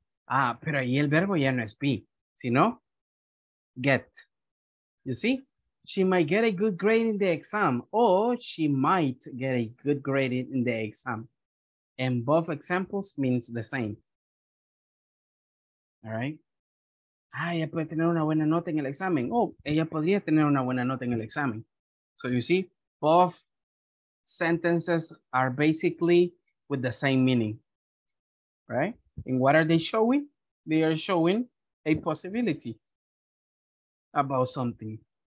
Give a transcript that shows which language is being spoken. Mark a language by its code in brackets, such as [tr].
[es] Ah, pero ahí el verbo ya no es be, sino get. [en] You see? She might get a good grade in the exam, or she might get a good grade in the exam. And both examples means the same. All right? [es] Ah, ella puede tener una buena nota en el examen. Oh, ella podría tener una buena nota en el examen. [en] So you see, both sentences are basically with the same meaning. Right? And what are they showing? They are showing a possibility about something.